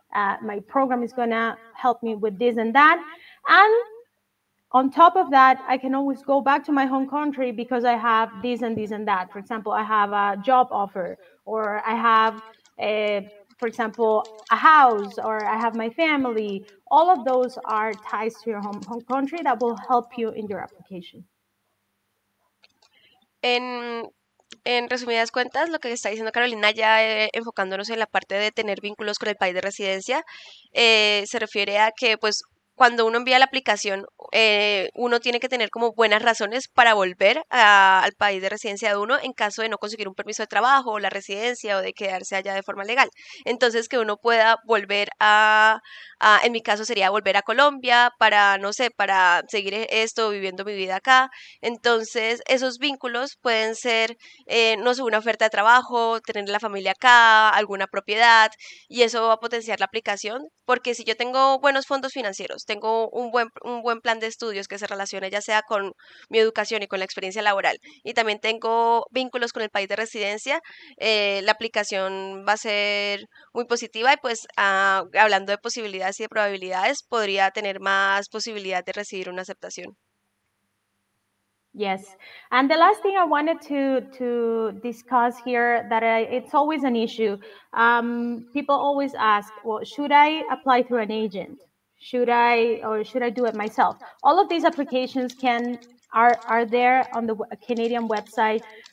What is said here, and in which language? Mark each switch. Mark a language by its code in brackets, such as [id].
[en] My program is gonna help me with this and that. And on top of that, I can always go back to my home country because I have this and this and that. For example, I have a job offer, or I have, for example, a house, or I have my family. All of those are ties to your home country that will help you in your application. [es] En resumidas cuentas, lo que está diciendo Carolina, ya enfocándonos en la parte de tener vínculos con el país de residencia, se refiere a que, pues, cuando uno envía la aplicación, uno tiene que tener como buenas razones para volver al país de residencia de uno en caso de no conseguir un permiso de trabajo o la residencia o de quedarse allá de forma legal. Entonces, que uno pueda volver en mi caso sería volver a Colombia para, no sé, para seguir esto, viviendo mi vida acá. Entonces, esos vínculos pueden ser, no sé, una oferta de trabajo, tener la familia acá, alguna propiedad, y eso va a potenciar la aplicación. Porque si yo tengo buenos fondos financieros, tengo un buen plan de estudios que se relacione ya sea con mi educación y con la experiencia laboral, y también tengo vínculos con el país de residencia, la aplicación va a ser muy positiva. Y pues hablando de posibilidades y de probabilidades, podría tener más posibilidad de recibir una aceptación. [en] Yes, and the last thing I wanted to discuss here, that it's always an issue, people always ask, well, should I apply through an agent? Should I do it myself? All of these applications are there on the Canadian website.